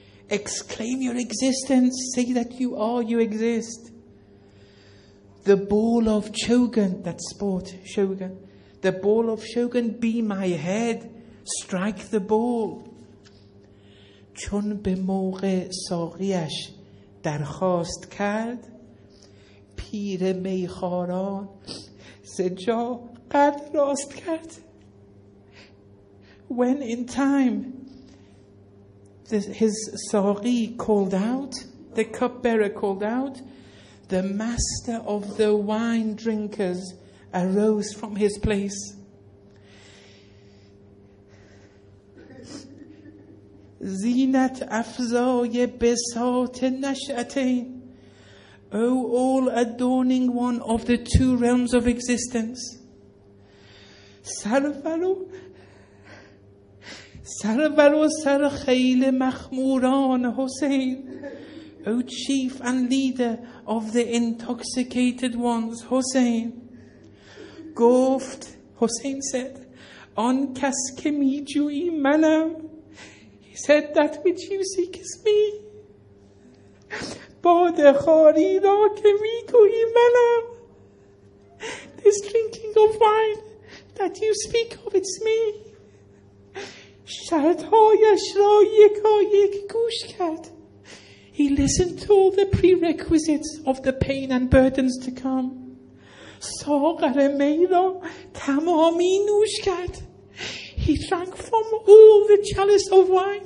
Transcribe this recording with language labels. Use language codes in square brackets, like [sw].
[en] Exclaim your existence, say that you are, you exist. The ball of chogan, that sport, shogun. The ball of shogun, be my head, strike the ball. [fa] چون به موقع ساقیش درخواست کرد پیر میخواران سجا قد راست کرد. [en] When in time his ساقی called out, the cupbearer called out, the master of the wine drinkers arose from his place. [fa] زینت افزای بساط نشأتین. [en] O all adorning one of the two realms of existence. [fa] سرور و سر خیل مخموران حسین. [en] O chief and leader of the intoxicated ones, حسین. [fa] گفت حسین [en] said, [fa] آن کس که می جویی منم. [en] Said, that which you seek is me. [fa] باده خاری را که می گویی منم. [en] This drinking of wine that you speak of, it's me. [fa] شرطهایش را یکا یک گوش کرد. [en] He listened to all the prerequisites of the pain and burdens to come. [fa] ساغر می را تمامی نوش کرد. [en] He drank from all the chalice of wine.